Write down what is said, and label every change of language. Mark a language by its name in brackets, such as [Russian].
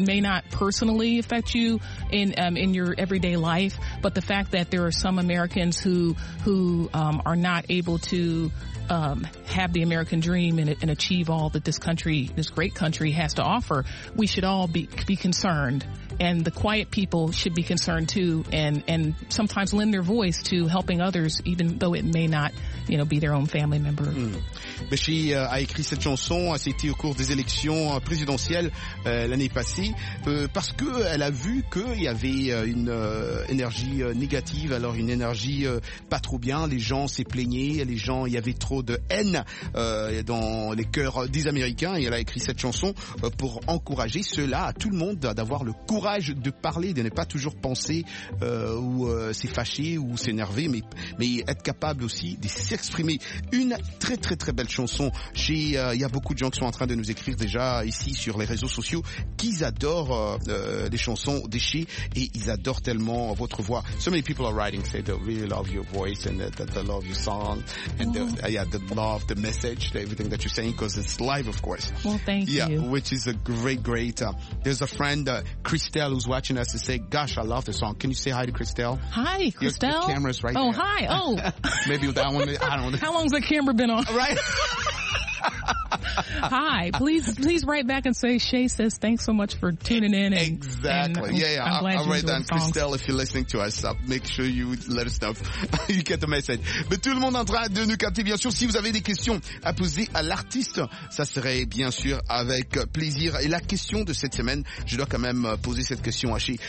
[English] It may not personally affect you in your everyday life, but the fact that there are some Americans who are not able to have the American dream and achieve all that this country, this great country, has to offer, we should all be concerned. And the quiet people should be concerned too, and sometimes lend their voice to helping others, even though it may not, you know, be their own family member. [French] Béchi a écrit cette chanson, c'était au cours des élections présidentielles l'année passée, parce que elle a vu qu'il y avait une énergie négative, alors une énergie pas trop bien, les gens s'est plaignaient, les gens, il y avait trop de haine dans les cœurs des Américains, et elle a écrit cette chanson pour encourager cela à tout le monde d'avoir le courage de parler, de ne pas toujours penser ou s'effacer ou s'énerver, mais être capable aussi de s'exprimer. Une très très très belle chanson. Il y a beaucoup de gens qui sont en train de nous écrire déjà ici sur les réseaux sociaux, qu'ils adorent les chansons d'Eshi et ils adorent tellement votre voix. [English] So many people are writing, say they really love your voice and that they love your song and they love the message, everything that you're saying, because it's live, of course. Well, thank you. Yeah, which is a great, great. There's a friend, Christelle, who's watching us, to say, gosh, I love the song. Can you say hi to Christelle? Hi, Christelle. Your camera's right there. Oh, hi. Oh. Maybe that one. I don't know. How long's the camera been on? Right. Hi. Please write back and say, Shay says, thanks so much for tuning in. Exactly. I'm glad you write down the song. Christelle, if you're listening to us, make sure you let us know. You get the message. [French] Mais tout le monde en train de nous capter. Bien sûr, si vous avez des questions à poser à l'artiste, ça serait bien sûr avec plaisir. Et la question de cette semaine, je dois quand même poser cette question à Shay.